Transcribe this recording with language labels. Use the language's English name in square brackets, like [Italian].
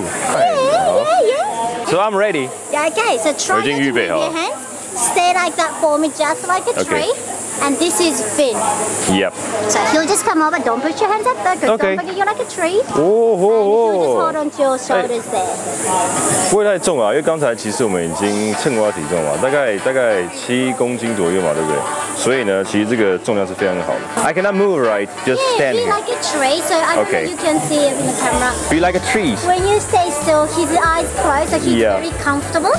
[English] Yeah. So, I'm ready. Okay, so try not to move your hands. Stay like that for me, just like a tree. Okay. And this is Finn. Yep. So he'll just come over. Don't put your hands up though, because you're like a tree. Oh. And he'll just hold onto your shoulders there. [Chinese] 不会太重啊，因为刚才其实我们已经称过他体重嘛，大概七公斤左右嘛，对不对？所以呢，其实这个重量是非常好的。 [English] I cannot move, right? Just stand. Yeah, be like a tree. So I don't know you can see it in the camera. Be like a tree. When you stay still, his eyes close, so he's very comfortable.